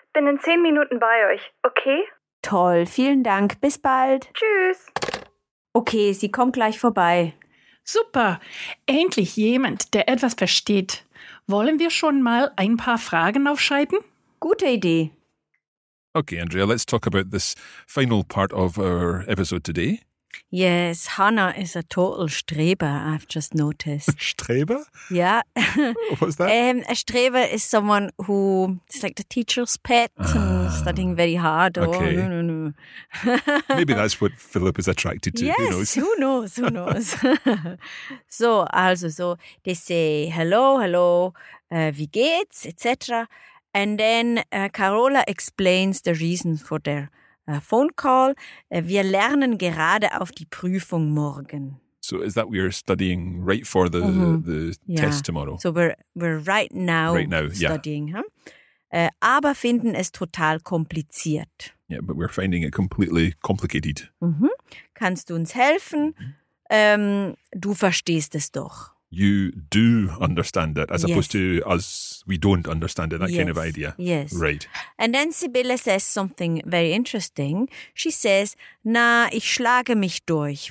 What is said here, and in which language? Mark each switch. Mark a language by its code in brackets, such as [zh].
[de] Bin in 10 Minuten bei euch, okay? Toll, vielen Dank. Bis bald. Tschüss. Okay, sie kommt gleich vorbei. Super. Endlich jemand, der etwas versteht. Wollen wir schon mal ein paar Fragen aufschreiben? Gute Idee. [en] Okay, Andrea, let's talk about this final part of our episode today. Yes, Hannah is a total streber, I've just noticed. Streber? Yeah. What's that? A streber is someone who is like the teacher's pet, studying very hard. Okay. Oh, no. Maybe that's what Philip is attracted to. Yes, who knows? Who knows? So they say, hello, wie geht's, etc. And then Carola explains the reason for their phone call. [de] Wir lernen gerade auf die Prüfung morgen. [en] So is that we are studying right for the test tomorrow? So we're right now studying. Yeah. [de] Aber finden es total kompliziert. [en] Yeah, but we're finding it completely complicated. [de] Mm-hmm. Kannst du uns helfen? Mm-hmm. Du verstehst es doch. [en] You do understand it, as opposed to us, we don't understand it, that kind of idea. Yes. Right. And then Sibylla says something very interesting. [de] She says, na, ich schlage mich durch.